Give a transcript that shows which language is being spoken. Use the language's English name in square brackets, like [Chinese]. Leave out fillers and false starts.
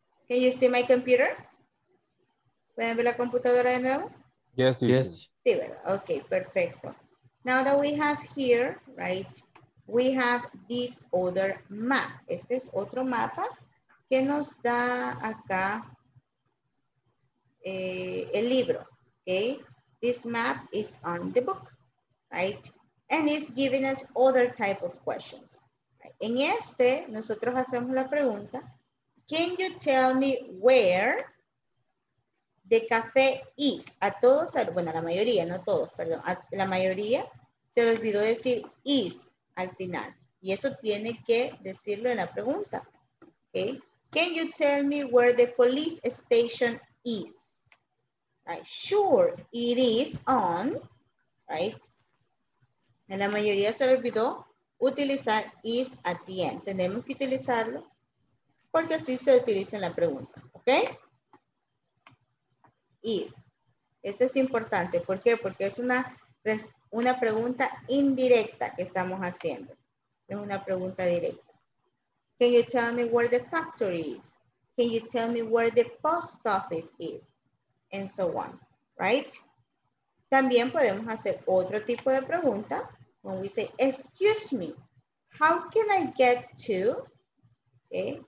[English] Can you see my computer? [Spanish] ¿Pueden ver la computadora de nuevo? [English] Yes. [Spanish] Sí, ¿verdad? Ok, perfecto. [English] Now that we have here, right, we have this other map. [Spanish] Este es otro mapa que nos da acá el libro, okay? [English] This map is on the book, right? And it's giving us other type of questions. Right? [Spanish] En este, nosotros hacemos la pregunta, [English] can you tell me where the café is? [Spanish] A todos, bueno, a la mayoría, no todos, perdón, a la mayoría se le olvidó decir is al final. Y eso tiene que decirlo en la pregunta. [English] Okay? Can you tell me where the police station is? Right. Sure, it is on, right? [Spanish] En la mayoría se le olvidó utilizar [English] is at the end. [Spanish] Tenemos que utilizarlo porque así se utiliza en la pregunta, ¿ok? Is. Esto es importante. ¿Por qué? Porque es una pregunta indirecta que estamos haciendo. Es una pregunta directa. [English] Can you tell me where the factory is? Can you tell me where the post office is? And so on, right? [Spanish] También podemos hacer otro tipo de pregunta. [English] When we say, excuse me, how can I get to, okay?